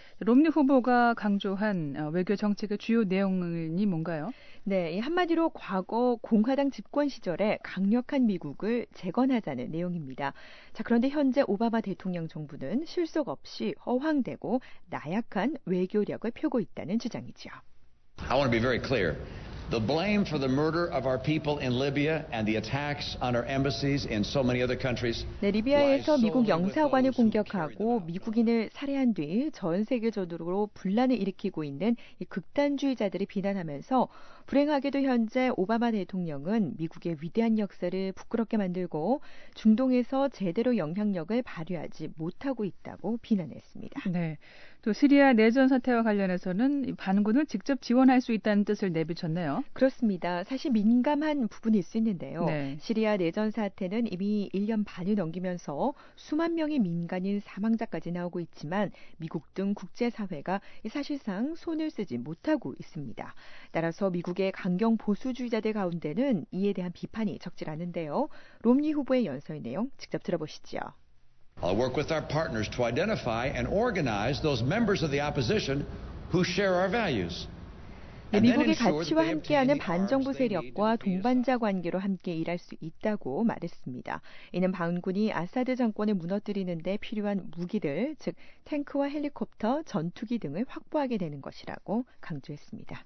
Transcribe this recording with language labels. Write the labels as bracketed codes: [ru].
[ko] 롬니 후보가 강조한 외교 정책의 주요 내용이 뭔가요? 네, 한마디로 과거 공화당 집권 시절에 강력한 미국을 재건하자는 내용입니다. 자, 그런데 현재 오바마 대통령 정부는 실속 없이 허황되고 나약한 외교력을 펴고 있다는 주장이지요. [en] I want to be very clear. The blame for the murder of our people in Libya and the attacks on our embassies in so many other countries. [ko] 네, 리비아에서 미국 영사관을 공격하고 미국인을 살해한 뒤 전 세계적으로 분란을 일으키고 있는 이 극단주의자들이 비난하면서 불행하게도 현재 오바마 대통령은 미국의 위대한 역사를 부끄럽게 만들고 중동에서 제대로 영향력을 발휘하지 못하고 있다고 비난했습니다. 네. 또 시리아 내전 사태와 관련해서는 반군을 직접 지원할 수 있다는 뜻을 내비쳤네요. 그렇습니다. 사실 민감한 부분일 수 있는데요. 네. 시리아 내전 사태는 이미 1년 반을 넘기면서 수만 명의 민간인 사망자까지 나오고 있지만 미국 등 국제사회가 사실상 손을 쓰지 못하고 있습니다. 따라서 미국의 강경 보수주의자들 가운데는 이에 대한 비판이 적지 않은데요. 롬니 후보의 연설 내용 직접 들어보시죠. [en] I'll work with our partners to identify and organize those members of the opposition who share our values. [ko] 네, 미국의 가치와 함께하는 반정부 세력과 동반자 관계로 함께 일할 수 있다고 말했습니다. 이는 반군이 아사드 정권을 무너뜨리는 데 필요한 무기들, 즉 탱크와 헬리콥터, 전투기 등을 확보하게 되는 것이라고 강조했습니다.